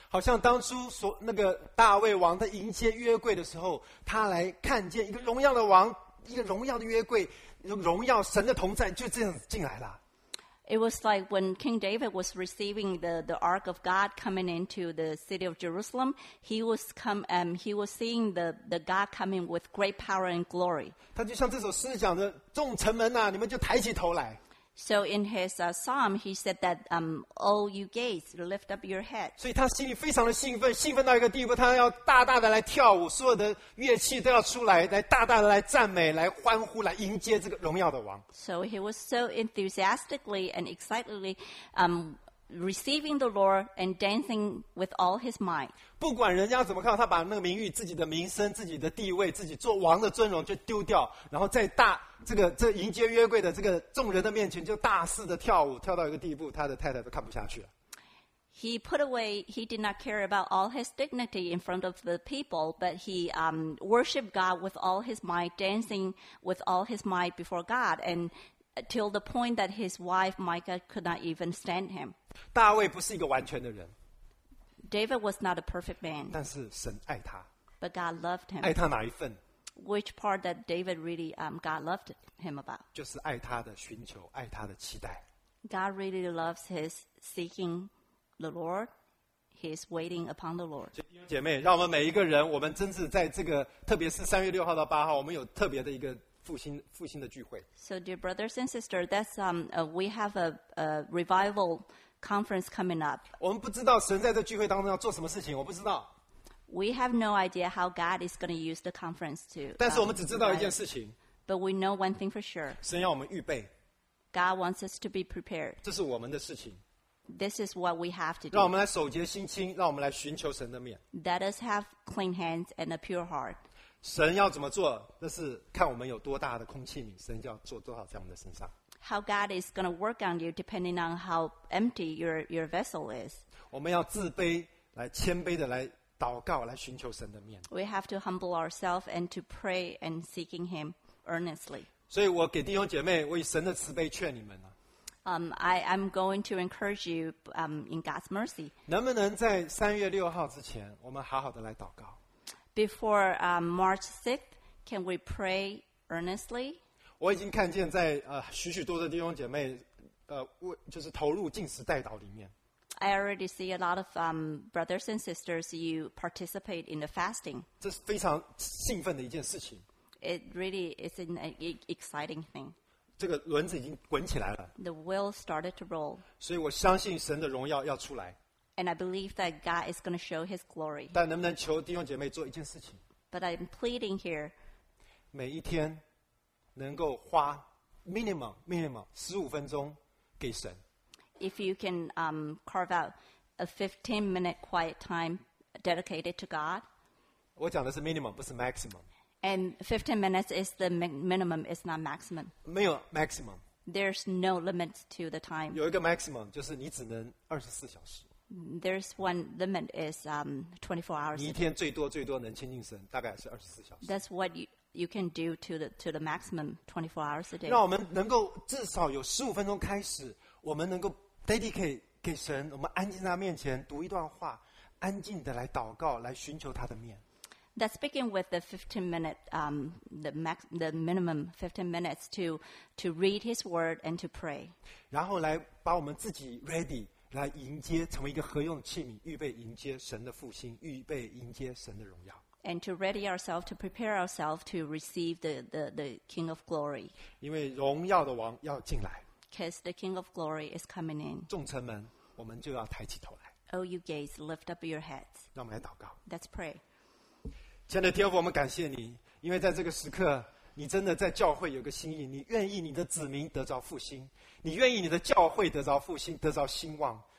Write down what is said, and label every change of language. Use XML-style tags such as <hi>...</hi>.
<zh>好像当初所那个大卫王他迎接约柜的时候，他来看见一个荣耀的王。一个荣耀的约柜，荣耀神的同在，就这样进来了。</zh> <en>It was like when King David was receiving the Ark of God coming into the city of Jerusalem. He was seeing the God coming with great power and glory.</en> <zh>他就像这首诗讲的，众城门啊，你们就抬起头来。</zh> <en>So in his psalm, he said that all you gates, lift up your head.</en> <zh>所以他心里非常的兴奋，兴奋到一个地步，他要大大的来跳舞，所有的乐器都要出来，来大大的来赞美，来欢呼，来迎接这个荣耀的王。</zh> <en>So he was so enthusiastically and excitedly receiving the Lord and dancing with all his might.</en> <zh>不管人家怎么看，他把那个名誉、自己的名声、自己的地位、自己做王的尊荣就丢掉，然后在大这迎接约柜的这个众人的面前就大肆的跳舞，跳到一个地步，他的太太都看不下去了。</zh> <en>He put away. He did not care about all his dignity in front of the people, but he worshipped God with all his might, dancing with all his might before God, and till the point that his wife Micah could not even stand him.</en> <zh>大卫不是一个完全的人。</zh> <en>David was not a perfect man.</en> <zh>但是神爱他。</zh> <en>But God loved him.</en> <zh>爱他哪一份？</zh> <en>Which part that David really God loved him about?</en> <zh>就是爱他的寻求，爱他的期待。</zh> <en>God really loves his seeking the Lord. He is waiting upon the Lord.</en> <zh>姐妹，让我们每一个人，我们真是在这个，特别是3月6号到8号，我们有特别的一个复兴的聚会。</zh> <en>So dear brothers and sisters, that's we have a revival conference coming up.</en> <zh>我们不知道神在这聚会当中要做什么事情，我不知道。</zh> <en>We have no idea how God is going to use the conference to.</en> <zh>但是我们只知道一件事情。</zh> <en>But we know one thing for sure.</en> <zh>神要我们预备。</zh> <en>God wants us to be prepared.</en> <zh>这是我们的事情。</zh> <en>This is what we have to do.</en> <zh>让我们来守节心清，让我们来寻求神的面。</zh> <en>Let us have clean hands and a pure heart.</en> <zh>神要怎么做？那是看我们有多大的空器皿，神就要做多少在我们的身上。</zh> <en>How God is going to work on you, depending on how empty your vessel is.</en> <zh>我们要自卑，来谦卑的来。祷告来寻求神的面。</zh> <en>We have to humble ourselves and to pray and seeking Him earnestly.</en> <zh>所以我给弟兄姐妹为神的慈悲劝你们啊。</zh> <en>I'm going to encourage you in God's mercy.</en> <zh>能不能在3月6号之前我们好好的来祷告。</zh> <en>Before March 6th, can we pray earnestly?</en> <zh>我已经看见在许许多的弟兄姐妹就是投入禁食代祷里面。</zh> <en>I already see a lot of brothers and sisters, you participate in the fasting.</en> <zh>这是非常兴奋的一件事情。</zh> <en>It really is an exciting thing.</en> <zh>这个轮子已经滚起来了。</zh> <en>The wheel started to roll.</en> <zh>所以我相信神的荣耀要出来。</zh> <en>And I believe that God is going to show His glory.</en> <zh>但能不能求弟兄姐妹做一件事情？</zh> <en>But I'm pleading here.</en> <zh>每一天能够花 minimum 15分钟给神。</zh> <en>If you can carve out a 15-minute quiet time dedicated to God.</en> <zh>我讲的是 minimum, 不是 maximum.</zh> <en>And 15 minutes is the minimum, it's not maximum.</en> <zh>没有 maximum.</zh> <en>There's no limit to the time.</en> <zh>有一个 maximum, 就是你只能24小时。</zh> <en>There's one limit is 24 hours.</en> <zh>你一天最多能亲近神大概是24小时。</zh> <en>That's what you can do to the maximum 24 hours a day.</en> <zh>让我们能够至少有15分钟开始我们能够 dedicate 给神，我们安静在他面前读一段话，安静的来祷告，来寻求他的面。</zh> <en>Let's begin with the 15-minute, the minimum 15 minutes to read His Word and to pray.</en> <zh>然后来把我们自己 ready 来迎接，成为一个合用的器皿，预备迎接神的复兴，预备迎接神的荣耀。</zh> <en>And to ready ourselves to prepare ourselves to receive the King of Glory.</en> <zh>因为荣耀的王要进来。</zh> <en>Because the King of Glory is coming in.</en> <zh>众城门，我们就要抬起头来。</zh> <en>O you gates, lift up your heads.</en> <zh>让我们来祷告。</zh> <en>Let's pray.</en> <zh>亲爱的天父，我们感谢你，因为在这个时刻，你真的在教会有个心意，你愿意你的子民得着复兴，你愿意你的教会得着复兴，得着兴旺。</zh>